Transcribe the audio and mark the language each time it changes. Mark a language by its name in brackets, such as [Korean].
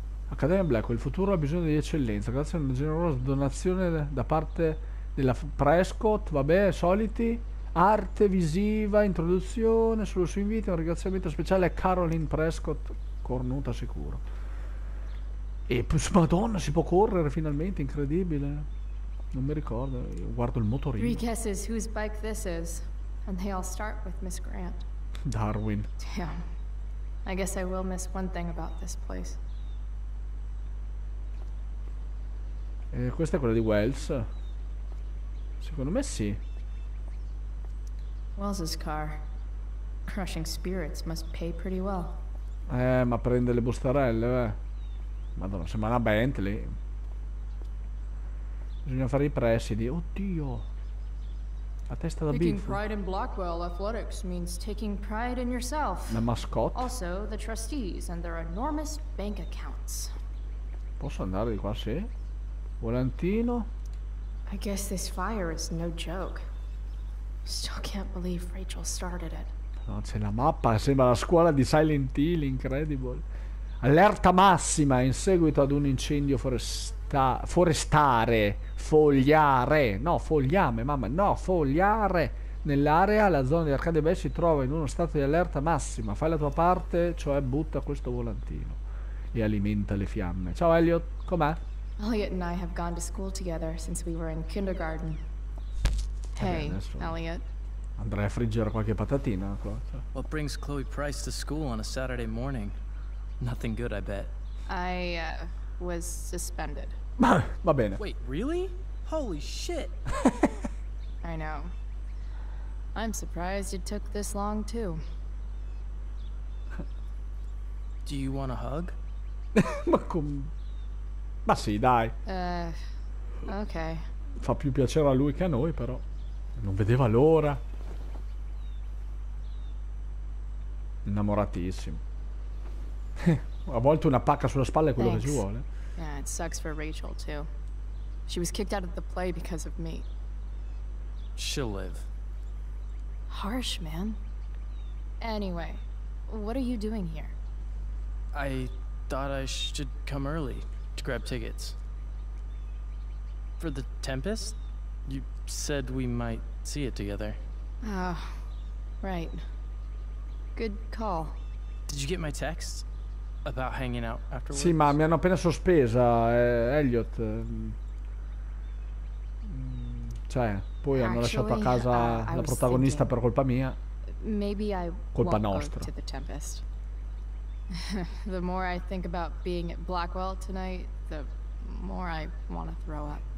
[Italian] Accademia Blackwell, il futuro ha bisogno di eccellenza. Grazie a una generosa donazione da parte della Prescott. Vabbè, soliti. Arte visiva, introduzione sullo suo invito. Un ringraziamento speciale a Caroline Prescott. Cornuta sicuro. E madonna, si può correre finalmente, incredibile. Non mi ricordo, io guardo il motorino. [English] Three guesses whose bike this is, and they all start with Miss Grant. Darwin. Damn. I guess I will miss one thing about this place. [Italian] Questa è quella di Wells. Secondo me sì. [English] Wells's car. Crushing spirits must pay pretty well. [Italian] Ma prende le bustarelle, beh. Madonna, sembra una Bentley. Bisogna fare i presidi. Oddio. La testa da Bigfoot. [English] Taking pride in Blackwell Athletics means taking pride in yourself. [Italian] La mascotte. [English] Also, the trustees and their enormous bank accounts. [Italian] Posso andare di qua, sì? Volantino. [English] I guess this fire is no joke. Still can't believe Rachel started it. [Italian] Non c'è la mappa, sembra la scuola di Silent Hill, incredibile. Allerta massima in seguito ad un incendio fogliare nell'area, la zona di Arcadia Bay si trova in uno stato di allerta massima. Fai la tua parte, cioè butta questo volantino e alimenta le fiamme. Ciao Elliot, com'è? [English] Elliot and I have gone to school together since we were in kindergarten. Hey, Elliot. [Italian] Andrei a friggere qualche patatina. [English] What brings Chloe Price to school on a Saturday morning? Nothing good, I bet. I was suspended. [Italian] Va bene. [English] Wait, really? Holy shit! I know. I'm surprised it took this long, too. Do you want a hug? [Italian] Ma come? Ma sì, dai. [English] Okay. [Italian] Fa più piacere a lui che a noi, però. Non vedeva l'ora. Innamoratissimo. A volte una pacca sulla spalla è quello [English] Thanks. [Italian] Che ci vuole. [English] Yeah, it sucks for Rachel too. She was kicked out of the play because of me. She'll live. Harsh, man. Anyway, what are you doing here? I thought I should come early to grab tickets. For the Tempest? You said we might see it together. Ah, oh, right. Good call. Did you get my text? About hanging out afterwards? [Italian] Sì, ma mi hanno appena sospesa, Elliot. Cioè, poi hanno lasciato a casa la protagonista per colpa mia. [English] Maybe I [Italian] colpa [English] won't [Italian] nostra. [English] Go to the Tempest. The more I think about being at Blackwell tonight, the more I want to throw up.